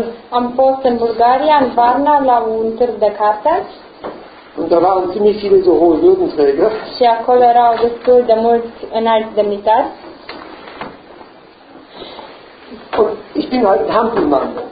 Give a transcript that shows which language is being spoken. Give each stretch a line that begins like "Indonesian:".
Romanian: am fost în Bulgaria, în Varna, la un târg de carte.
German: Und da waren ziemlich viele so hohe Würdenträger.
Romanian: Și acolo erau destul de mulți înalți demnitari.
German: Und ich bin halt ein Hampelmann.